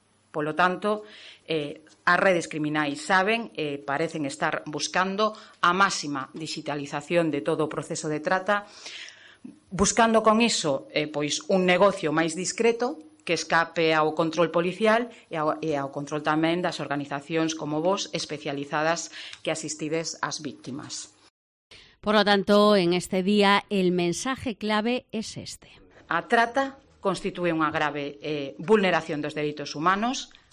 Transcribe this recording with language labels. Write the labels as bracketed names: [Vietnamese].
[Galician] Polo tanto, as redes criminais saben, parecen estar buscando a máxima digitalización de todo o proceso de trata, buscando con iso pois un negocio máis discreto que escape ao control policial e ao control tamén das organizacións como vos especializadas que asistides ás víctimas. [Spanish] Por lo tanto, en este día, el mensaje clave es este. [Galician] A trata constitúe unha grave vulneración dos dereitos humanos.